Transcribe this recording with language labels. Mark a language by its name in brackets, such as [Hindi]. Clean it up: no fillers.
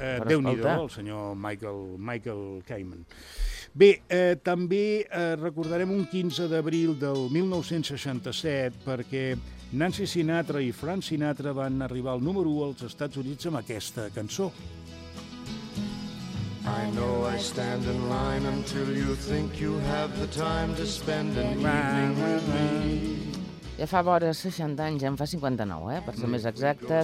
[Catalan] Déu-n'hi-do, el senyor Michael Kamen. Bé, també recordarem un 15 d'abril del 1967, perquè Nancy Sinatra i Frank Sinatra van arribar al número 1 als Estats Units amb aquesta cançó. [English] I know I stand in line until you think you have the time to spend an evening with me. [Catalan] Ja fa vora 60 anys, ja en fa 59, per ser més exacte.